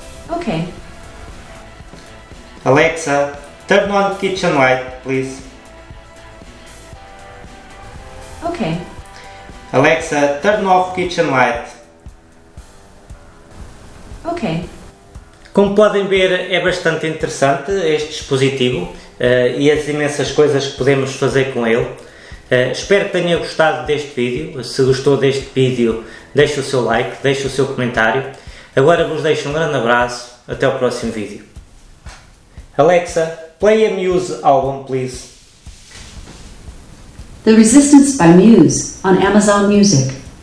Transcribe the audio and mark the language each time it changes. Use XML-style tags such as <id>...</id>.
<en>Ok. Alexa, turn on the kitchen light, please. Okay. Alexa, turn off the kitchen light. Okay.</en> <pt>Como podem ver, é bastante interessante este dispositivo e as imensas coisas que podemos fazer com ele. Espero que tenha gostado deste vídeo. Se gostou deste vídeo, deixe o seu like, deixe o seu comentário. Agora vos deixo um grande abraço. Até ao próximo vídeo.</pt> <en>Alexa, play a Muse album, please. The Resistance by Muse on Amazon Music.</en>